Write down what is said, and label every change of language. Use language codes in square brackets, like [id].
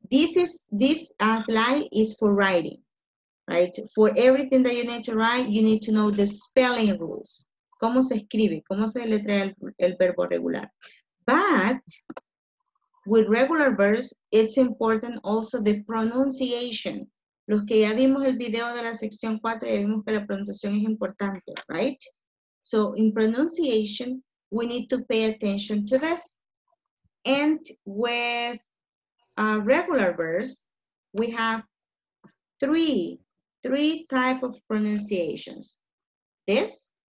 [en] This slide is for writing, right? For everything that you need to write, you need to know the spelling rules. ¿Cómo se escribe? ¿Cómo se deletrea el verbo regular? But with regular verbs, it's important also the pronunciation. [es] Los que ya vimos el video de la sección 4, ya vimos que la pronunciación es importante, right? [en] So in pronunciation, we need to pay attention to this. And with regular verbs, we have three types of pronunciations. This.